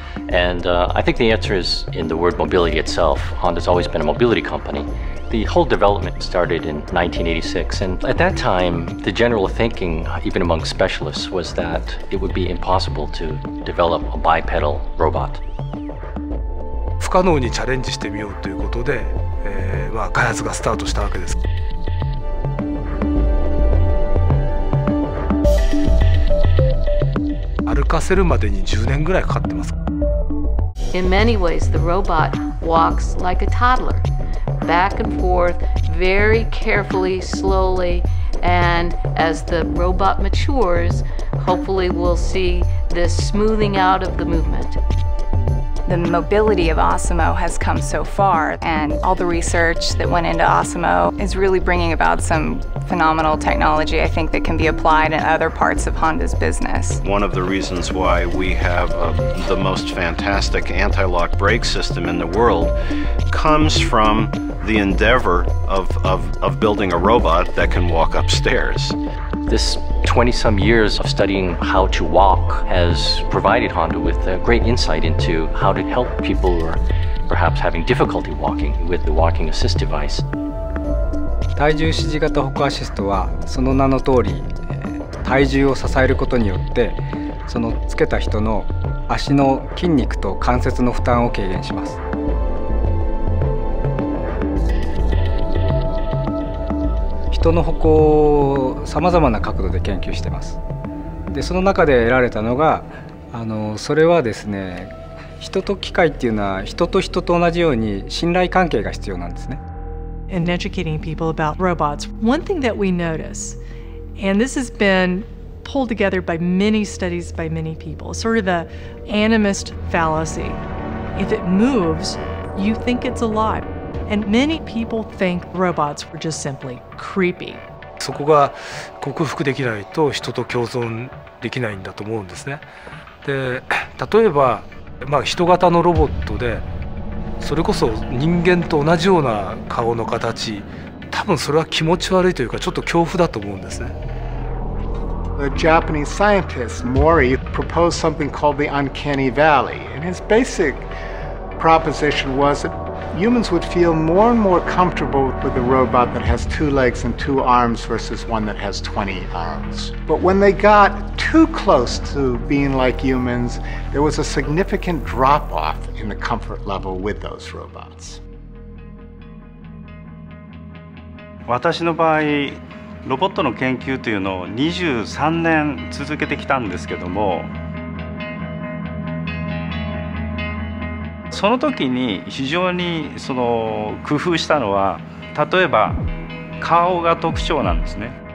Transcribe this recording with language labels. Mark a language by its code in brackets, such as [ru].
[en] And I think the answer is in the word mobility itself. Honda's always been a mobility company. The whole development started in 1986, and at that time, the general thinking, even among specialists, was that it would be impossible to develop a bipedal robot. [ja] 不可能にチャレンジしてみようということで、開発がスタートしたわけです。歩かせるまでに10年ぐらいかかってます。 [en] In many ways, the robot walks like a toddler, back and forth, very carefully, slowly, and as the robot matures, hopefully we'll see this smoothing out of the movement. The mobility of Osimo has come so far, and all the research that went into Osimo is really bringing about some phenomenal technology, I think, that can be applied in other parts of Honda's business. One of the reasons why we have the most fantastic anti-lock brake system in the world comes from the endeavor of building a robot that can walk upstairs. This 20-some years of studying how to walk has provided Honda with a great insight into how to help people who are perhaps having difficulty walking with the walking assist device. [ja] 体重支持型歩行アシストはその名の通り、体重を支えることによってそのつけた人の足の筋肉と関節の負担を軽減します。人の歩行をさまざまな角度で研究しています。で、その中で得られたのが、それはですね、人と機械っていうのは人と人と同じように信頼関係が必要なんですね。 [en] In educating people about robots, one thing that we notice, and this has been pulled together by many studies by many people, sort of the animist fallacy. If it moves, you think it's alive. And many people think robots were just simply creepy. [ja] そこが克服できないと人と共存できないんだと思うんですね。で、例えば、まあ、人型のロボットでそれこそ人間と同じような顔の形、多分それは気持ち悪いというかちょっと恐怖だと思うんですね。 [en] The Japanese scientist Mori proposed something called the Uncanny Valley. And his basic proposition was that humans would feel more and more comfortable with a robot that has two legs and two arms versus one that has 20 arms. But when they got too close to being like humans, there was a significant drop off in the comfort level with those robots. [ja] 私の場合、ロボットの研究というのを23年続けてきたんですけども、その時に非常にその工夫したのは、例えば顔が特徴なんですね。